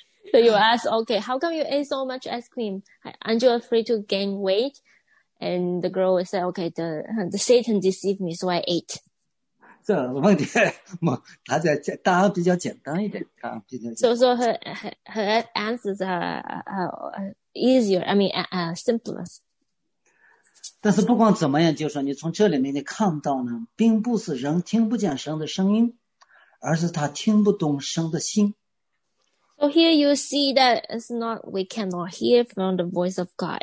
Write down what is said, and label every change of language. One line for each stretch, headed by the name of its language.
English: So you ask, okay, how come you ate so much ice cream? Aren't you afraid to gain weight? And the girl will say, okay, the Satan deceived me, so I ate.
Chinese: 这问题，他在答案比较简单一点，答案比较简单。
English: So her answers are easier. I mean, simpler.
Chinese: 但是不管怎么样，就是说你从这里面你看到呢，并不是人听不见神的声音，而是他听不懂神的心。
English: So here you see that it's not we cannot hear from the voice of God.